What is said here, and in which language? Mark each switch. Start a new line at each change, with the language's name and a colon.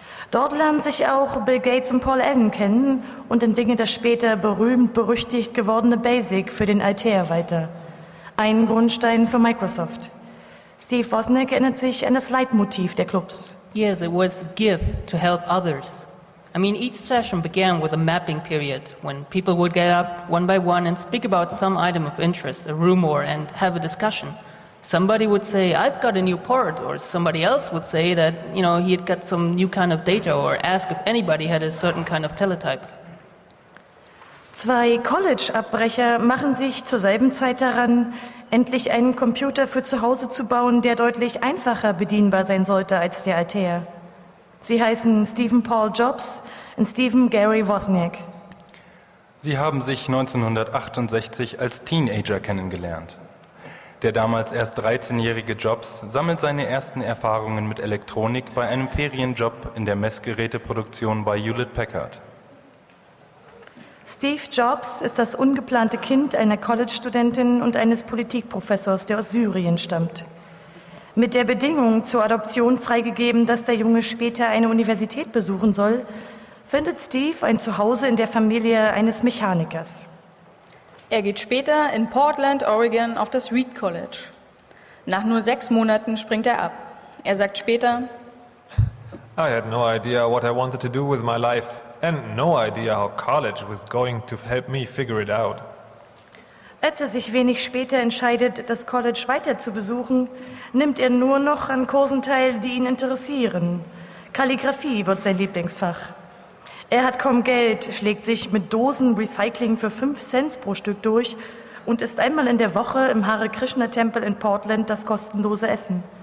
German: Dort lernen sich auch Bill Gates und Paul Allen kennen und entwickeln das später berühmt-berüchtigt gewordene BASIC für den Altair weiter. Ein Grundstein für Microsoft. Steve Wozniak erinnert sich an das Leitmotiv der Clubs.
English: Yes, it was give to help others. I mean, each session began with a mapping period when people would get up one by one and speak about some item of interest, a rumor, and have a discussion. Somebody would say, I've got a new port, or somebody else would say that, you know, he had got some new kind of data or ask if anybody had a certain kind of teletype.
German: Zwei College-Abbrecher machen sich zur selben Zeit daran, endlich einen Computer für zu Hause zu bauen, der deutlich einfacher bedienbar sein sollte als der Altair. Sie heißen Stephen Paul Jobs und Stephen Gary Wozniak. Sie haben sich 1968 als Teenager kennengelernt. Der damals erst 13-jährige Jobs sammelt seine ersten Erfahrungen mit Elektronik bei einem Ferienjob in der Messgeräteproduktion bei Hewlett-Packard. Steve Jobs ist das ungeplante Kind einer College-Studentin und eines Politikprofessors, der aus Syrien stammt. Mit der Bedingung zur Adoption freigegeben, dass der Junge später eine Universität besuchen soll, findet Steve ein Zuhause in der Familie eines Mechanikers. Er geht später in Portland, Oregon, auf das Reed College. Nach nur 6 Monaten springt er ab. Er sagt später:
English: I had no idea what I wanted to do with my life and no idea how college was going to help me figure it out.
German: Als er sich wenig später entscheidet, das College weiter zu besuchen, nimmt er nur noch an Kursen teil, die ihn interessieren. Kalligraphie wird sein Lieblingsfach. Er hat kaum Geld, schlägt sich mit Dosen Recycling für 5 Cent pro Stück durch und isst einmal in der Woche im Hare Krishna Tempel in Portland das kostenlose Essen.